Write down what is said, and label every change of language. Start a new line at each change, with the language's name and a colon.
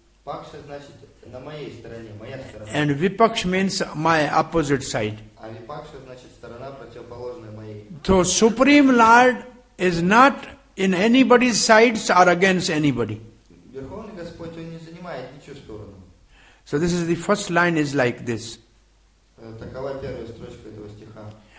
Russian: Paksha значит на моей стороне, моя сторона.
English: And Vipaksha means my opposite side.
Russian: А Vipaksha значит сторона противоположная моей.
English: So Supreme Lord is not in anybody's sides or against anybody.
Russian: Верховный Господь, он не занимает ничью сторону.
English: So this is the first line is like this.
Russian: Такова первая строчка этого стиха.